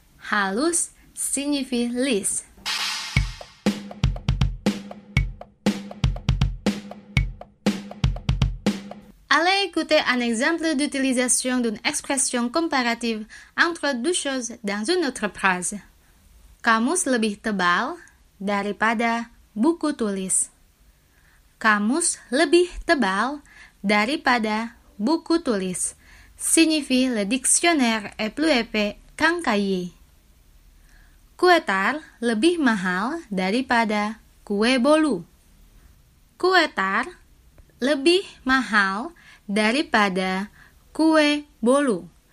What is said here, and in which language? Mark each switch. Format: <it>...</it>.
<fr>Halus signifie lisse. Allez écouter un exemple d'utilisation d'une expression comparative entre deux choses dans une autre phrase.</fr> <id>Kamus lebih tebal daripada buku tulis. Kamus lebih tebal daripada buku tulis.</id> <fr>Signifie le dictionnaire est plus épais qu'un cahier.</fr> <id>Kue tar lebih mahal daripada kue bolu. Kue tar lebih mahal daripada kue bolu.</id>